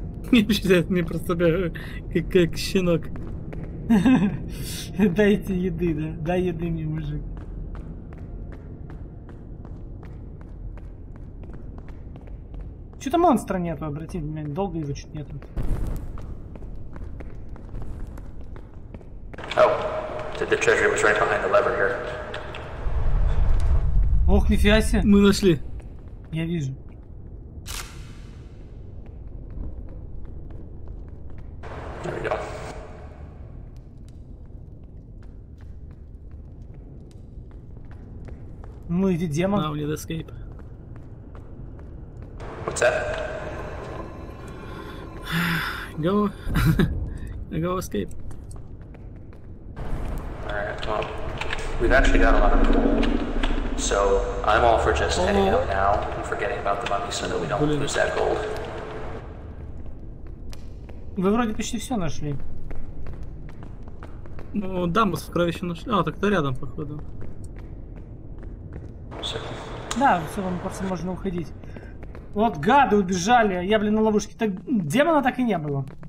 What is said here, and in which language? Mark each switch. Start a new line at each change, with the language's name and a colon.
Russian: Не считает, не просто как щенок. Дайте еды, да? Дай еды мне, мужик. Что-то монстра нету, обрати внимание, долго его чуть нету.
English: Oh, the treasure was right behind the lever here.
Russian: Ох, нифига себе. Мы нашли. Я вижу. Ну иди, демон.
English: Now we need escape. What's that? Go. Go escape. Alright, well, we've actually got a lot of gold. So, I'm all for just heading out now and forgetting about the money so that we don't lose that gold.
Russian: Вы вроде почти все нашли. Ну, да, мы сокровища нашли. А, так-то рядом, походу. Да, все, вам просто можно уходить. Вот гады убежали, я, блин, на ловушке. Так, демона так и не было.